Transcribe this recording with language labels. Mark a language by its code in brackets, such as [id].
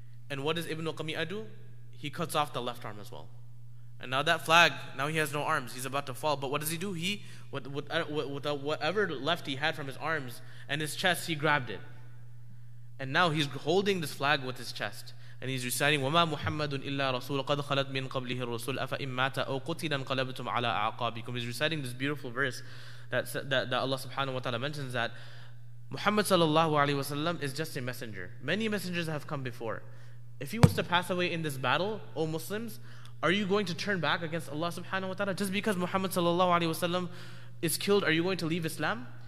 [en] And what does Ibn Qami'ah do? He cuts off the left arm as well. And now that flag, now he has no arms. He's about to fall. But what does he do? He, with whatever left he had from his arms and his chest, he grabbed it. And now he's holding this flag with his chest. And he's reciting, [ar] وَمَا مُحَمَّدٌ إِلَّا رَسُولُ قَدْ خَلَتْ مِنْ قَبْلِهِ الرَّسُولُ أَفَإِنْ مَاتَ أَوْ قُتِلًا قَلَبْتُمْ عَلَىٰ أَعْقَابِكُمْ. [en] He's reciting this beautiful verse that Allah subhanahu wa ta'ala mentions that Muhammad sallallahu alayhi wa sallam is just a messenger. Many messengers have come before. If he was to pass away in this battle, O Muslims, are you going to turn back against Allah subhanahu wa ta'ala? Just because Muhammad sallallahu alayhi wa sallam is killed, are you going to leave Islam?